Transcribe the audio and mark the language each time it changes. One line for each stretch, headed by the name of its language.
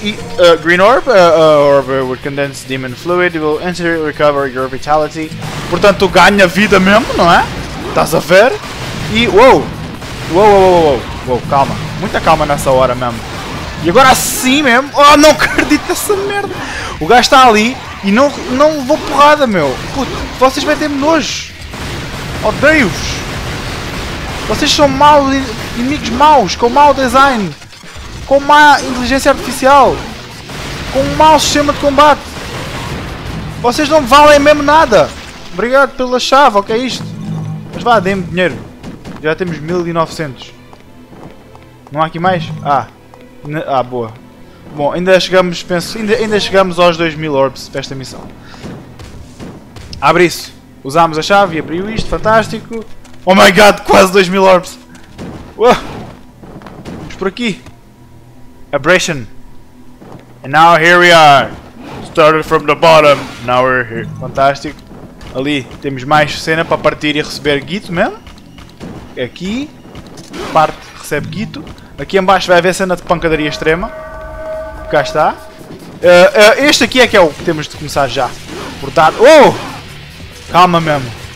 English: E, green orb, orb with condensed demon fluid will instantly recover your vitality.
Portuguese: Portanto, ganha vida mesmo, não é? Estás a ver? E, uou! Uou, uou, uou, uou, uou, calma. Muita calma nessa hora mesmo. E agora sim mesmo. Oh, não acredito nessa merda. O gajo está ali e não vou porrada, meu. Puto, vocês metem-me nojo. Oh, Deus! Vocês são maus, inimigos maus, com mau design. Com má inteligência artificial. Com um mau sistema de combate. Vocês não valem mesmo nada. Obrigado pela chave, ok, isto? Mas vá, dê-me dinheiro. Já temos 1900. Não há aqui mais? Ah. Ah, boa. Bom, ainda chegamos, penso, ainda chegamos aos 2000 orbs para esta missão. Abre isso. Usámos a chave e abriu isto, fantástico.
English: Oh my god,
Portuguese: quase 2000 orbs. Vamos por aqui.
English: Abrasion. And now here we are. Started from the bottom, now we're here.
Portuguese: Fantástico. Ali temos mais cena para partir e receber guito mesmo. Aqui. Parte, recebe guito. Aqui em baixo vai haver cena de pancadaria extrema. Cá está. Este aqui é que é o que temos de começar já. Portado. Oh! Calma mesmo.